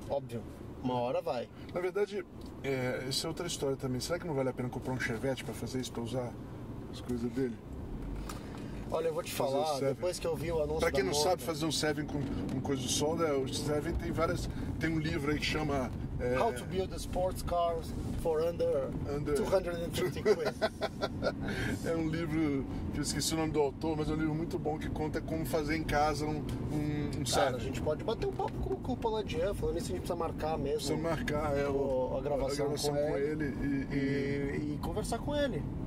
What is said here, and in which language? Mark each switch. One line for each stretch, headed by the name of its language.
Portuguese: Ué, óbvio. Uma hora vai. Na verdade, isso é outra história também. Será que não vale a pena comprar um Chevette pra fazer isso, pra usar as coisas dele? Olha, eu vou te falar, depois que eu vi o anúncio. Pra quem da não moto, sabe fazer um Seven com coisa de solda, o Seven tem várias. Tem um livro aí que chama.
English: How to build a sports car for under 250 quid.
Portuguese: É um livro que eu esqueci o nome do autor, mas é um livro muito bom que conta como fazer em casa um cara, certo. A gente pode bater um papo com o Paladier, falando isso, a gente precisa marcar mesmo. Precisa marcar a gravação com ele. E conversar com ele.